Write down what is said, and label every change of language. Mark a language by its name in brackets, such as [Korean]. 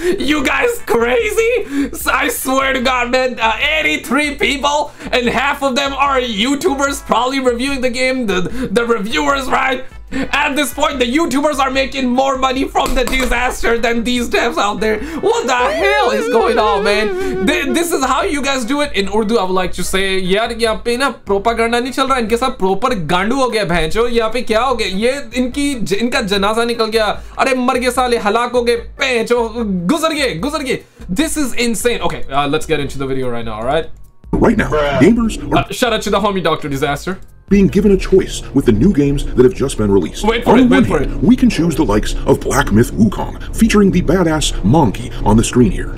[English] You guys crazy? I swear to God, man, 83 people, and half of them are YouTubers probably reviewing the game, the reviewers, right? At this point, the YouTubers are making more money from the disaster than these devs out there. What the hell is going on, man? This is how you guys do it. In Urdu, I would like to say, [Urdu] یار یہاں پہ نا propaganda نہیں چل رہا، انکے سب proper گانڈو ہو گئے بہنچو، یہاں پہ کیا ہو گیا، یہ انکا جنازہ نکل گیا، ارے مر گئے سالے، ہلاک ہو گئے بہنچو، گزر گئے۔ [English] This is insane. Okay, let's get into the video right now. All right, right now, gamers, shout out to the homie Dr. Disaster, being given a choice with the new games that have just been released. Wait for it. We can choose the likes of Black Myth Wukong, featuring the badass Monkey on the screen here.